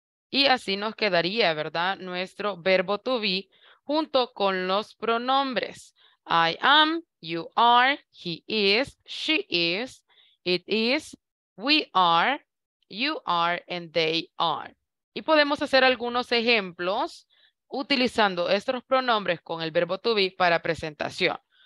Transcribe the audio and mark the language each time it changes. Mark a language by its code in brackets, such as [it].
[es] Y así nos quedaría, ¿verdad? Nuestro verbo to be junto con los pronombres. [en] I am, you are, he is, she is, it is, we are, you are, and they are. [es] Y podemos hacer algunos ejemplos utilizando estos pronombres con el verbo to be para presentación.